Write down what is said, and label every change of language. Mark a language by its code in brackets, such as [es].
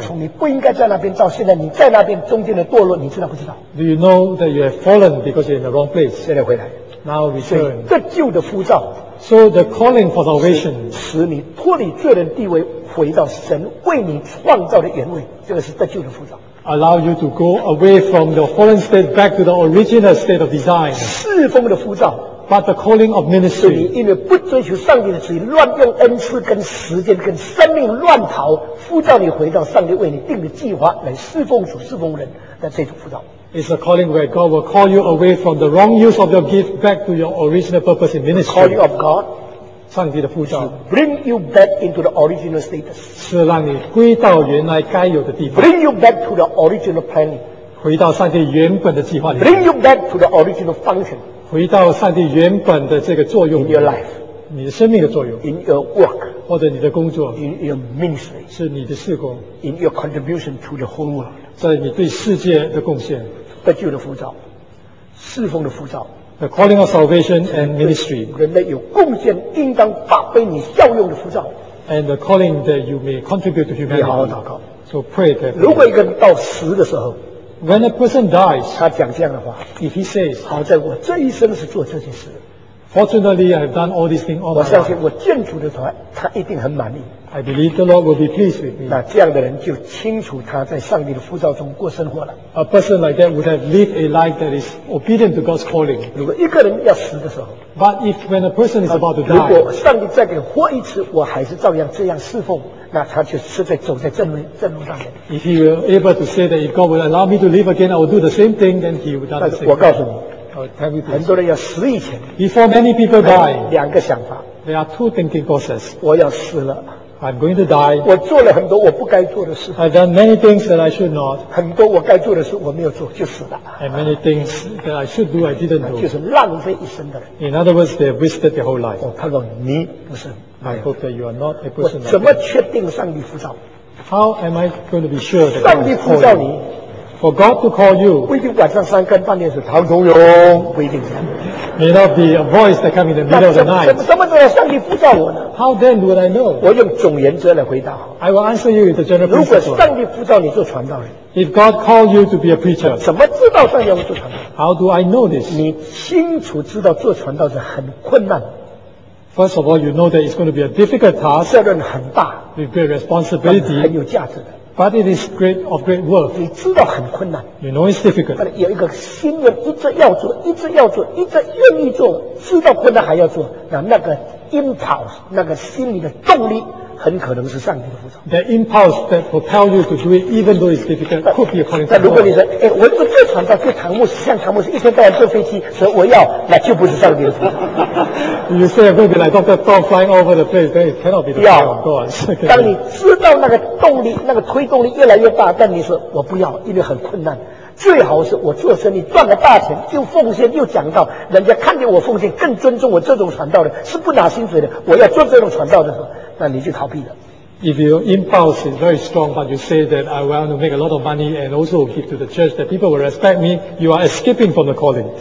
[zh] 从你不应该在那边到现在你在那边中间的堕落，你知道不知道 [en] ？Do you know that you have fallen because you're in the wrong place? [zh] 现在回来。 [en] Now return. [zh] 得救的呼召。 [en] So the calling for salvation [zh] 使你脱离罪人地位，回到神为你创造的原位，这个是得救的呼召。 [en] Allow you to go away from the fallen state back to the original state of design. [zh] 侍奉的呼召。 [en] But the calling of ministry, [zh] 是你因为不遵循上帝的旨意，乱用恩赐跟时间跟生命乱逃，呼召你回到上帝为你定的计划来侍奉主、侍奉人的这种呼召。 [en] It's a calling where God will call you away from the wrong use of your gift back to your original purpose in ministry. The calling of God, [zh] 上帝的呼召 [en] ，bring you back into the original status, [zh] 是让你归到原来该有的地方 [en] ，bring you back to the original planning, [zh] 回到上帝原本的计划里面 [en] ，bring you back to the original function. [zh] 回到上帝原本的这个作用 [en] in your life, [zh] 你的生命的作用 [en] in your work, [zh] 或者你的工作 [en] in your ministry, [zh] 是你的事工 [en] in your contribution to the whole world, [zh] 在你对世界的贡献得救的呼召侍奉的呼召 [en] the calling of salvation and ministry, [zh] 人类有贡献应当发挥你效用的呼召 [en] and the calling that you may contribute to humanity, [zh] 你好好祷告 [en] so pray that [zh] 如果一个人到死的时候 [en] When a person dies, [zh] 他讲这样的话 [en] If he says, [zh] 好在我这一生是做这件事 [en] Fortunately, I've done all these things all my life. [zh] 我相信我见主的时候他一定很满意 [en] I believe the Lord will be pleased with me. [zh] 那这样的人就清楚他在上帝的呼召中过生活了 [en] A person like that would have lived a life that is obedient to God's calling. [zh] 如果一个人要死的时候 [en] But if when a person is about to die, [zh] 如果上帝再给他活一次我还是照样这样侍奉那他就是在走在正路上面。 [en] If he were able to say that if God would allow me to live again, I would do the same thing, then he would not say. [zh] 我告诉你 [en] tell you this, [zh] 很多人要死以前 [en] Before many people die, [zh] 两个想法 [en] There are two thinking processes. [zh] 我要死了 [en] I'm going to die. [zh] 我做了很多我不该做的事 [en] I've done many things that I should not. [zh] 很多我该做的事我没有做就死了 [en] And many things that I should do, I didn't do. [zh] 就是浪费一生的人 [en] In other words, they've wasted their whole life. [zh] 我看到你不是 [en] I hope that you are not a person like that. [zh] 我怎么确定上帝呼召 [en] How am I going to be sure that [zh] 上帝呼召你 [en] For God to call you [zh] 不一定晚上三更半夜是唐崇荣不一定 [en] May not be a voice that comes in the middle of the night [zh] 怎么上帝呼召我呢 [en] How then would I know [zh] 我用总原则来回答 [en] I will answer you with the general principle [zh] 如果上帝呼召你做传道人 [en] If God call you to be a preacher [zh] 怎么知道上帝要做传道人 [en] How do I know this [zh] 你清楚知道做传道人很困难 [en] First of all, you know that it's going to be a difficult task. [zh] 责任很大 [en] with great responsibility. [zh] 很有价值的 [en] But it is great of great worth. [zh] 你知道很困难 [en] You know it's difficult. [zh] 但有一个心愿一直要做，一直要做，一直愿意做，知道困难还要做，那个 impulse， 那个心里的动力，很可能是上帝的呼召。 [en] The impulse that propel you to do it, even though it's difficult, could be a calling. [zh] 但如果你说，我不做传道，做堂牧师，像堂牧师一天到晚坐飞机，所以我要，那就不是上帝的呼召。 [en] You say it will be like Dr. Tom flying over the place, then it cannot be the plan of God. [zh] 当你知道那个动力，那个推动力越来越大，但你说我不要，因为很困难。最好是我做生意赚了大钱，又奉献又讲道，人家看见我奉献，更尊重我这种传道的，是不拿薪水的。我要做这种传道的时候，那你就逃避了。 [en] If your impulse is very strong, but you say that I want to make a lot of money and also give to the church, that people will respect me, you are escaping from the calling.